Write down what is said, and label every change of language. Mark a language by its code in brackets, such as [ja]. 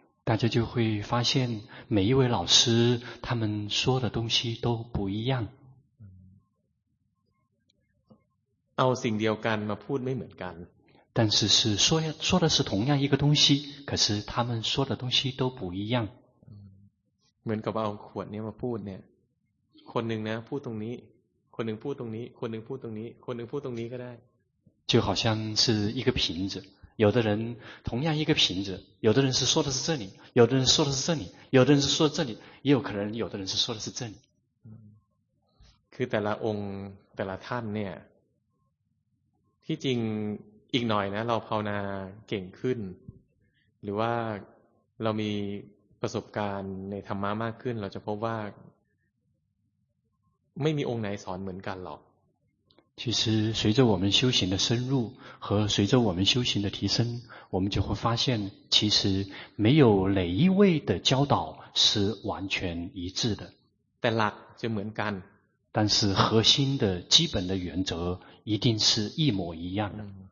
[zh] 大家就会发现每一位老师他们说的东西都不一样 [th] เอาสิ่งเดียวกันมาพูดไม่เหมือนกัน [zh] 但是是说说的是同样一个东西，可是他们说的东西都不一样。 [th] เหมือนกับเอาขวดเนี่ยมาพูดเนี่ยคนหนึ่งนะพูดตรงนี้คนหนึ่งพูดตรงนี้คนหนึ่งพูดตรงนี้คนหนึ่งพูดตรงนี้ก็ได้ [zh] 就好像是一个瓶子，有的人同样一个瓶子，有的人是说的是这里，有的人说的是这里，有的人是说的这里，也有可能有的人是说的是这里。 [th] คือแต่ละองค์แต่ละท่านเนี่ยที่จริงอีกหน่อยนะเราภาวนาเก่งขึ้นหรือว่าเรามีประสบการณ์ในธรรมะมากขึ้นเราจะพบว่าไม่มีองค์ไหนสอนเหมือนกันหรอก [zh] 其实随着我们修行的深入和随着我们修行的提升我们就会发现其实没有哪一位的教导是完全一致的 [th] แต่หลักจะเหมือนกัน [zh] 但是核心的基本的原则一定是一模一样的